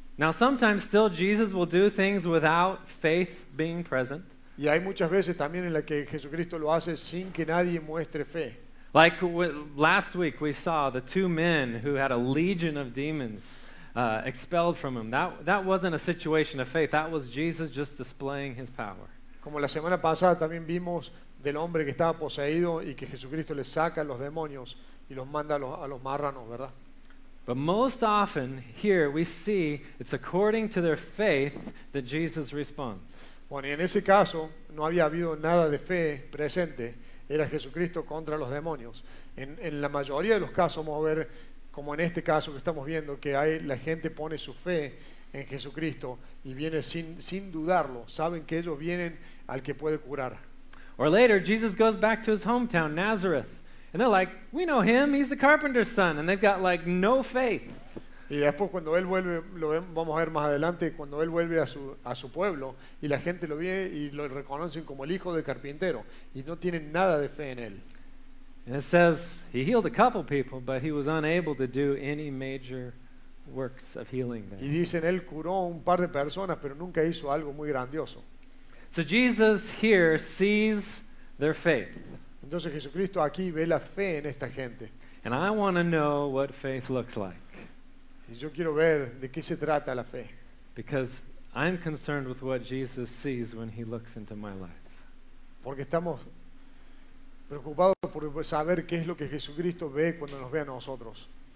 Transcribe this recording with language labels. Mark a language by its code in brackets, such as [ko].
[en] Now, sometimes still Jesus will do things without faith being present. [es] Y hay muchas veces también en las que Jesucristo lo hace sin que nadie muestre fe. [en] Like last week we saw the two men who had a legion of demons expelled from him. That wasn't a situation of faith. That was Jesus just displaying his power. [es] Como la semana pasada también vimos del hombre que estaba poseído y que Jesucristo le saca los demonios y los manda a los marranos, ¿verdad? [en] But most often here we see it's according to their faith that Jesus responds. [es] Bueno, y en ese caso no había habido nada de fe presente. Era Jesucristo contra los demonios. En la mayoría de los casos vamos a ver como en este caso que estamos viendo, que hay la gente pone su fe en Jesucristo y viene sin dudarlo, saben que ellos vienen al que puede curar. [en] Or later, Jesus goes back to his hometown, Nazareth, and they're like, we know him, he's the carpenter's son, and they've got like no faith. [es] Y después cuando él vuelve, lo vamos a ver más adelante, cuando él vuelve a su pueblo, y la gente lo ve y lo reconocen como el hijo del carpintero, y no tienen nada de fe en él. [en] And it says he healed a couple people, but he was unable to do any major works of healing there. [es] Y dicen él curó un par de personas, pero nunca hizo algo muy grandioso. [en] So Jesus here sees their faith. [es] Entonces Jesucristo aquí ve la fe en esta gente. [en] And I want to know what faith looks like. [es] Y yo quiero ver de qué se trata la fe. [en] Because I'm concerned with what Jesus sees when he looks into my life. [es] Porque estamos preocupado por saber qué es lo que Jesucristo ve cuando nos ve a nosotros.